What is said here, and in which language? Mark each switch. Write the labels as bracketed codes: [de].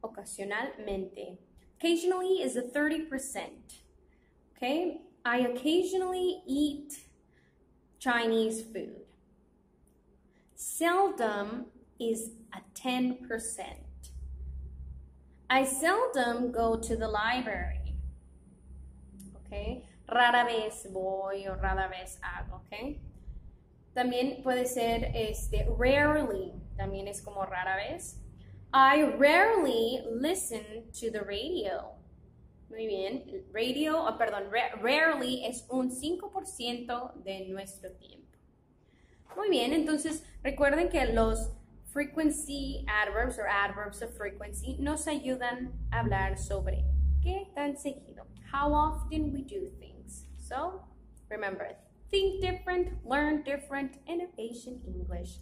[en] Ocasionalmente. Occasionally is a 30%. Okay? I occasionally eat Chinese food. Seldom is a 10%. I seldom go to the library. Okay? [es] Rara vez voy o rara vez hago. Okay? También puede ser este, rarely, también es como rara vez. [en] I rarely listen to the radio. [es] Muy bien, radio, oh, perdón, rarely es un 5% de nuestro tiempo. Muy bien, entonces recuerden que los frequency adverbs or adverbs of frequency nos ayudan a hablar sobre qué tan seguido. [en] How often we do things. So, remember it. Think different, learn different, innovation English.